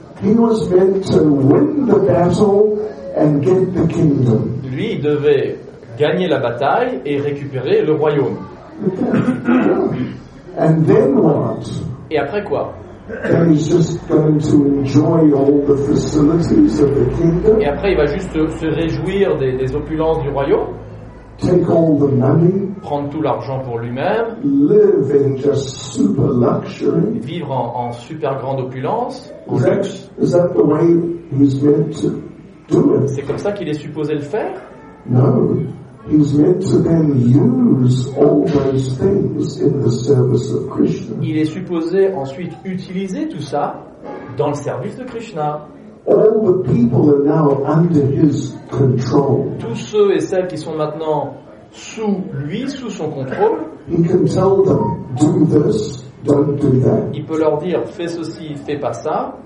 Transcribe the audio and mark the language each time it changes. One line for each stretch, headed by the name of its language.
English: He was meant to win the battle and get the kingdom.
French: Lui devait gagner la bataille et récupérer le royaume.
English: And then what?
French: Et après quoi?
English: Then he's just going to enjoy all the facilities of the kingdom.
French: Et après il va juste se réjouir des opulences du royaume.
English: Take all the money.
French: Prendre tout l'argent pour lui-même.
English: Live in just super luxury.
French: Vivre en super grande opulence.
English: Is that the way he's meant to do it?
French: C'est comme ça qu'il est supposé le faire?
English: No. He's meant to then use all those things in the service of Krishna.
French: Il est supposé ensuite utiliser tout ça dans le service de Krishna.
English: All the people are now under his control.
French: Tous ceux et celles qui sont maintenant sous lui, sous son contrôle.
English: He can tell them, do this, don't do that.
French: Il peut leur dire, fais ceci, fais pas ça.